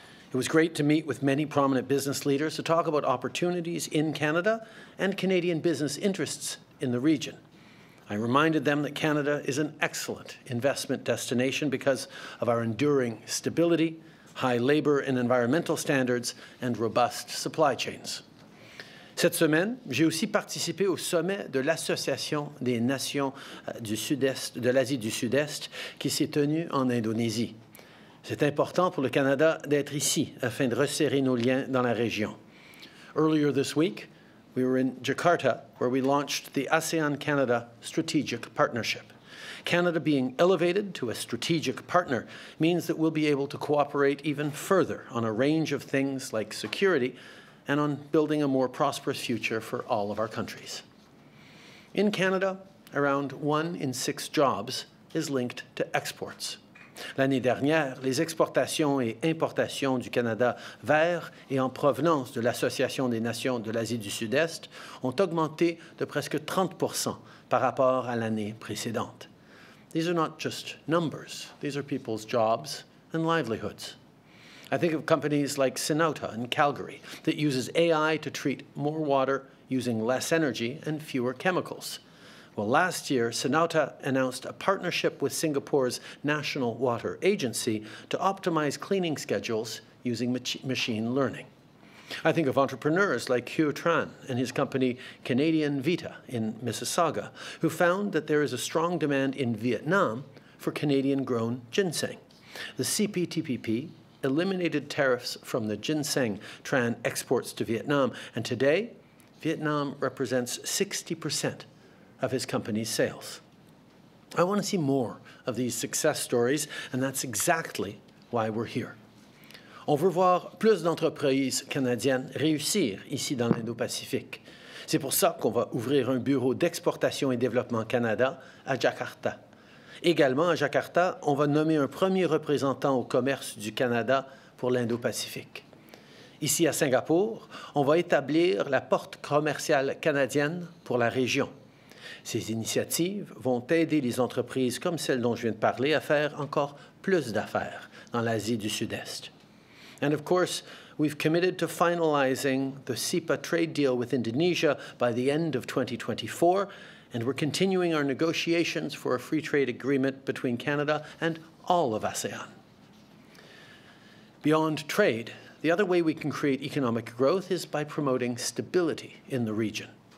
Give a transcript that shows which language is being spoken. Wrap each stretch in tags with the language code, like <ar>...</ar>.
<en>It was great to meet with many prominent business leaders to talk about opportunities in Canada and Canadian business interests in the region. I reminded them that Canada is an excellent investment destination because of our enduring stability, high labor and environmental standards, and robust supply chains.</en> <fr>Cette semaine, j'ai aussi participé au sommet de l'Association des Nations du Sud-Est, de l'Asie du Sud-Est, qui s'est tenu en Indonésie. C'est important pour le Canada d'être ici afin de resserrer nos liens dans la région.</fr> <en>Earlier this week, we were in Jakarta, where we launched the ASEAN-Canada Strategic Partnership. Canada being elevated to a strategic partner means that we'll be able to cooperate even further on a range of things like security and on building a more prosperous future for all of our countries. In Canada, around 1 in 6 jobs is linked to exports.</en> <fr>L'année dernière, les exportations et importations du Canada vers et en provenance de l'Association des Nations de l'Asie du Sud-Est ont augmenté de presque 30% par rapport à l'année précédente.</fr> <en>These are not just numbers. These are people's jobs and livelihoods. I think of companies like Sinauta in Calgary that uses AI to treat more water using less energy and fewer chemicals. Well, last year, Sinauta announced a partnership with Singapore's National Water Agency to optimize cleaning schedules using machine learning. I think of entrepreneurs like Hugh Tran and his company Canadian Vita in Mississauga, who found that there is a strong demand in Vietnam for Canadian-grown ginseng. The CPTPP eliminated tariffs from the ginseng Tran exports to Vietnam, and today, Vietnam represents 60% of his company's sales. I want to see more of these success stories, and that's exactly why we're here.</en> <fr>On veut voir plus d'entreprises canadiennes réussir ici dans l'Indo-Pacifique. C'est pour ça qu'on va ouvrir un bureau d'exportation et développement Canada à Jakarta. Également à Jakarta, on va nommer un premier représentant au commerce du Canada pour l'Indo-Pacifique. Ici à Singapour, on va établir la porte commerciale canadienne pour la région. Ces initiatives vont aider les entreprises comme celles dont je viens de parler à faire encore plus d'affaires dans l'Asie du Sud-Est.</fr> <en>And of course, we've committed to finalizing the SIPA trade deal with Indonesia by the end of 2024, and we're continuing our negotiations for a free trade agreement between Canada and all of ASEAN. Beyond trade, the other way we can create economic growth is by promoting stability in the region.</en>